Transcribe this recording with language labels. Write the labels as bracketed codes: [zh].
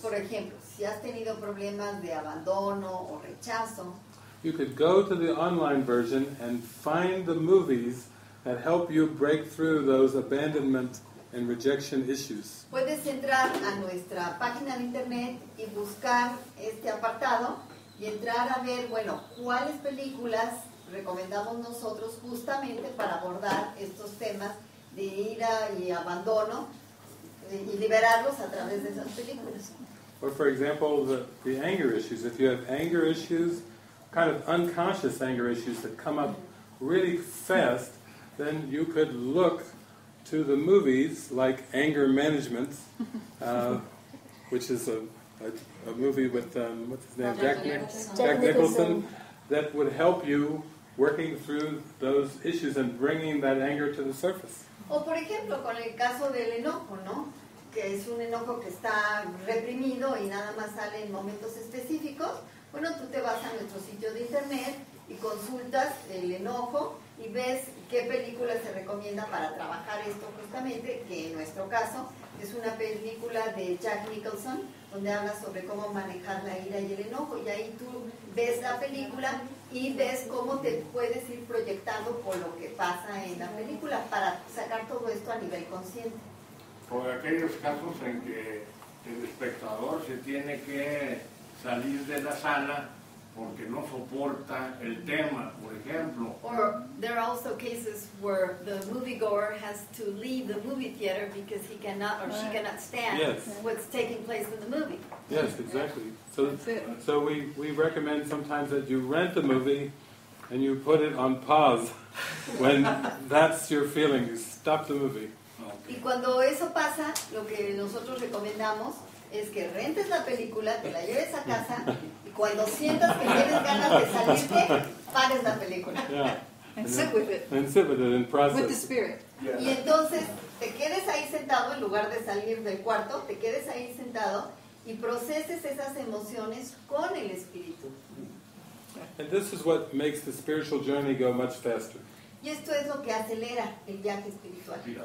[es] por ejemplo, si has tenido problemas de abandono o rechazo, [en] you could go to the online version and find the movies that help you break through those abandonment and rejection issues. [es] Puedes entrar a nuestra página de internet y buscar este apartado y entrar a ver, bueno, cuáles películas recomendamos nosotros justamente para abordar estos temas de ira y abandono y liberarlos a través de esas películas. [en] Or for example, the anger issues. If you have anger issues, kind of unconscious anger issues that come up really fast, then you could look to the movies like Anger Management, which is a movie with what's his name, Jack Nicholson, that would help you working through those issues and bringing that anger to the surface. [es] O por ejemplo, con el caso del enojo, ¿no? Que es un enojo que está reprimido y nada más sale en momentos específicos. Bueno, tú te vas a nuestro sitio de internet y consultas el enojo y ves qué película se recomienda para trabajar esto justamente, que en nuestro caso es una película de Jack Nicholson donde habla sobre cómo manejar la ira y el enojo, y ahí tú ves la película y ves cómo te puedes ir proyectando por lo que pasa en la película para sacar todo esto a nivel consciente. Por aquellos casos en que el espectador se tiene que salir de la sala porque no soporta el tema, por ejemplo. [en] Or there are also cases where the moviegoer has to leave the movie theater because he cannot or she cannot stand what's taking place in the movie. Yes, exactly. So that's it. So we recommend sometimes that you rent the movie and you put it on pause when that's your feeling. You stop the movie. Okay. [es] Y cuando eso pasa, lo que nosotros recomendamos es que rentes la película, te la lleves a casa. Cuando sientas que tienes ganas de salirte, pares la película. [en] Yeah. And sit with it. And sit with it in process. With the spirit. Yeah. [es] Y entonces te quedes ahí sentado en lugar de salir del cuarto, te quedes ahí sentado y proceses esas emociones con el espíritu. [en] And this is what makes the spiritual journey go much faster. [es] Y esto es lo que acelera el viaje espiritual.